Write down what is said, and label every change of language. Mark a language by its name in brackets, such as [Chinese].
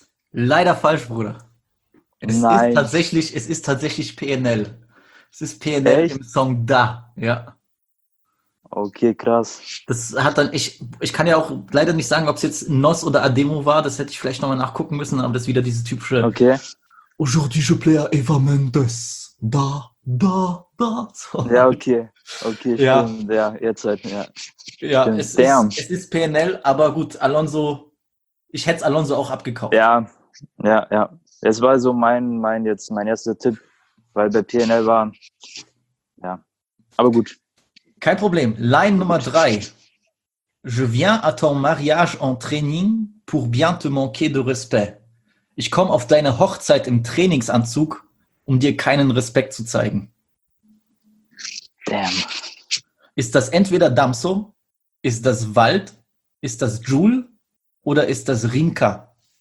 [German] Leider falsch, Bruder. Es ist tatsächlich PNL. Es ist PNL. Echt? Im Song Da, ja. Okay, krass. Das hat dann, ich kann ja auch leider nicht sagen, ob es jetzt Nos oder Ademo war, das hätte ich vielleicht nochmal nachgucken müssen, aber das ist wieder dieses typische. Okay. [French] Aujourd'hui je plais à Eva Mendes. [German] Da, da, da. Sorry. Ja, okay. Okay, ja. Stimmt. Ja, jetzt halt, ja. Ja, es ist PNL, aber gut, Alonso, ich hätte es Alonso auch abgekauft. Ja, ja, ja. Es war so mein erster Tipp, weil bei PNL war. Ja. Aber gut. Kein Problem. Line Nummer 3. [French] Je viens à ton mariage en training pour bien te manquer de respect. [German] Ich komme auf deine Hochzeit im Trainingsanzug, um dir keinen Respekt zu zeigen. [English] Damn. [German] Ist das entweder Damso, ist das Wald, ist das Jul oder ist das Rimka?